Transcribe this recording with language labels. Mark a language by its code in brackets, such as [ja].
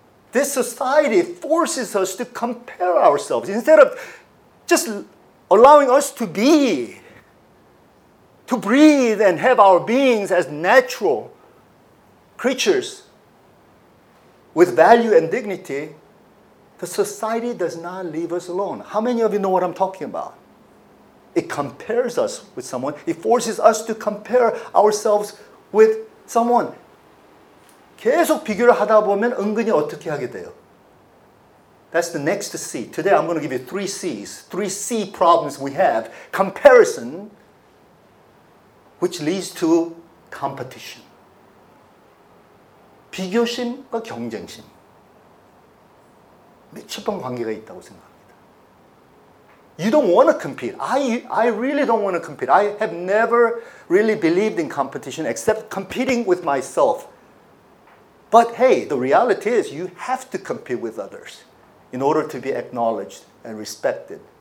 [en] This society forces us to compare ourselves instead of just allowing us to be, to breathe and have our beings as natural creatures with value and dignity. The society does not leave us alone. How many of you know what I'm talking about? It compares us with someone. It forces us to compare ourselves with someone. [ko] 계속 비교를 하다 보면 은근히 어떻게 하게 돼요? [en] That's the next C. Today I'm going to give you three C's. Three C problems we have. Comparison, which leads to competition. [ko] 비교심과 경쟁심. 밀접한 관계가 있다고 생각합니다. [en] You don't want to compete. I really don't want to compete. I have never really believed in competition except competing with myself. But hey, the reality is you have to compete with others in order to be acknowledged and respected.